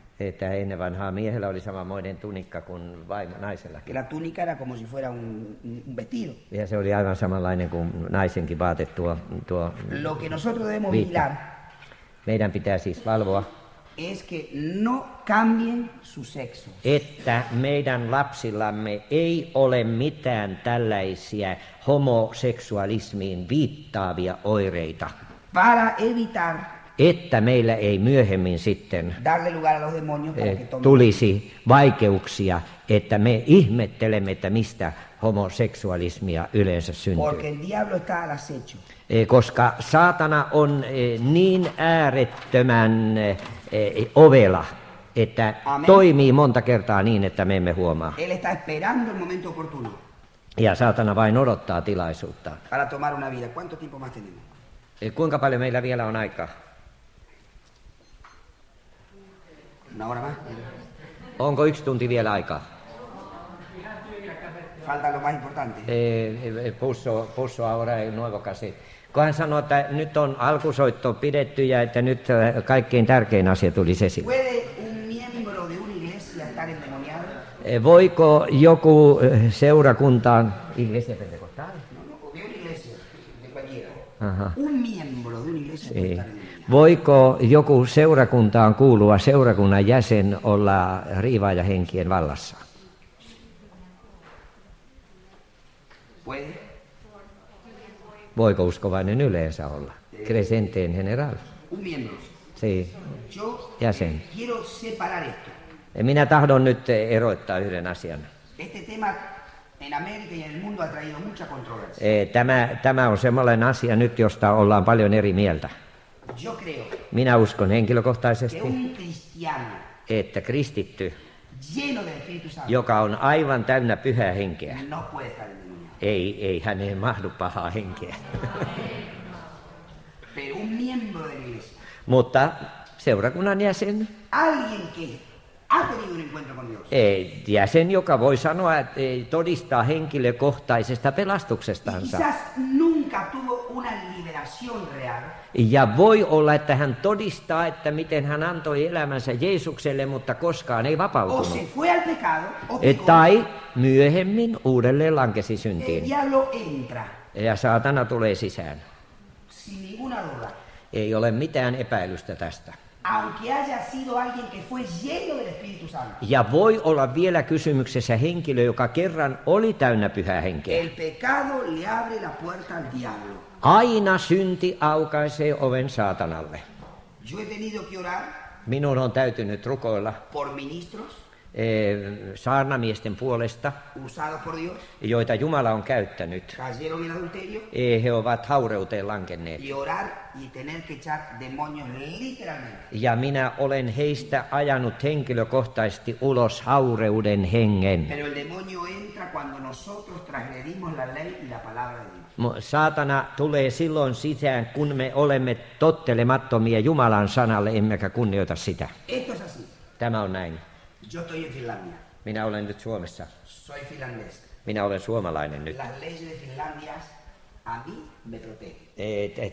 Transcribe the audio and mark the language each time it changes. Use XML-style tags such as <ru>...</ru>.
<fi>Että ennen vanhaa miehellä oli samanmoinen tunikka kuin vaimo naisellakin.</fi> <es>La túnica era como si fuera un vestido.</es> <fi>Ja se oli aivan samanlainen kuin naisenkin vaate tuo.</fi> <es>Lo que nosotros debemos vigilar.</es> <fi>Meidän pitää siis valvoa.</fi> <es>Es que no cambien su sexo.</es> <fi>Että meidän lapsillamme ei ole mitään tällaisia homoseksualismiin viittaavia oireita.</fi> <es>Para evitar.</es> <fi>Että meillä ei myöhemmin sitten</fi> <es>darle lugar a los demonios para que tomen...</es> <fi>tulisi vaikeuksia, että me ihmettelemme, että mistä homoseksualismia yleensä syntyy.</fi> <es>Porque el diablo está al acecho.</es> <fi>Koska saatana on niin äärettömän ovela, että Amen. Toimii monta kertaa niin, että me emme huomaa.</fi> <es>Él está esperando el momento oportuno.</es> <fi>Ja saatana vain odottaa tilaisuutta.</fi> <es>Para tomar una vida. ¿Cuánto tiempo más tenemos?</es> <fi>Kuinka paljon meillä vielä on aikaa?</fi> <es>Una hora más.</es> <fi>Onko yksi tunti vielä aikaa?</fi> <es>Falta lo más importante. Puso ahora el nuevo casete.</es> <fi>Kunhan sanoo, että nyt on alkusoitto pidetty ja että nyt kaikkein tärkein asia tulisi esille.</fi> <es>Puede un miembro de una iglesia estar endemoniado?</es> <fi>Voiko joku seurakuntaan...</fi> <es>Iglesia pentecostal? No, de una iglesia, de cualquiera. Un miembro de una iglesia estar endemoniado?</es> <fi>Voiko joku seurakuntaan kuulua seurakunnan jäsen olla riivaajahenkien vallassa?</fi> <es>Puede.</es> <fi>Voiko uskovainen yleensä olla?</fi> <es>Crescente en general. Un miembro. Sí. Yo</es> <fi>jäsen.</fi> <es>Quiero separar esto.</es> <fi>Minä tahdon nyt erottaa yhden asian.</fi> <es>Este tema en América y en el mundo ha traído mucha controversia.</es> <fi>Tämä on semmoinen asia nyt, josta ollaan paljon eri mieltä.</fi> <es>Yo creo.</es> <fi>Minä uskon henkilökohtaisesti.</fi> <es>Que un cristiano.</es> <fi>Että kristitty.</fi> <es>Lleno del Espíritu Santo.</es> <fi>Joka on aivan täynnä pyhää henkeä.</fi> <es>No puede estar.</es> <fi>Ei häneen mahdu pahaa henkeä.</fi> <es>Pero un miembro de la iglesia.</es> <fi>Mutta seurakunnan jäsen.</fi> <es>Alguien que ha tenido un encuentro con Dios.</es> <fi>Jäsen, joka voi sanoa, että todistaa henkilökohtaisesta pelastuksestansa.</fi> <es>Y quizás nunca tuvo una liberación real.</es> <fi>Ja voi olla, että hän todistaa, että miten hän antoi elämänsä Jeesukselle, mutta koskaan ei vapautunut.</fi> <es>O se fue al pecado, o</es> <fi>tai myöhemmin uudelleen lankesi syntiin.</fi> <es>El diablo entra.</es> <fi>Ja saatana tulee sisään.</fi> <es>Sin ninguna duda.</es> <fi>Ei ole mitään epäilystä tästä.</fi> <es>Aunque haya sido alguien que fue lleno del Espíritu Santo.</es> <fi>Ja voi olla vielä kysymyksessä henkilö, joka kerran oli täynnä pyhää henkeä.</fi> <es>El pecado le abre la puerta al diablo.</es> <fi>Aina synti aukaisee oven saatanalle.</fi> <es>Yo he tenido que orar.</es> <fi>Minun on täytynyt rukoilla.</fi> <es>Por ministros.</es> <fi>Saarnamiesten puolesta.</fi> <es>Usado por Dios.</es> <fi>Joita Jumala on käyttänyt.</fi> <es>Cayeron en adulterio.</es> <fi>He ovat haureuteen lankenneet.</fi> <es>Y orar y tener que echar demonios literalmente.</es> <fi>Ja minä olen heistä ajanut henkilökohtaisesti ulos haureuden hengen.</fi> <es>Pero el demonio entra cuando nosotros transgredimos la ley y la palabra de Dios.</es> <fi>Saatana tulee silloin sisään, kun me olemme tottelemattomia Jumalan sanalle, emmekä kunnioita sitä.</fi> <es>Esto es así.</es> <fi>Tämä on näin.</fi> <es>Yo estoy en Finlandia.</es> <fi>Minä olen nyt Suomessa.</fi> <es>Soy finlandés.</es> <fi>Minä olen suomalainen nyt.</fi> <es>Las leyes de Finlandia a mí me protege.</es>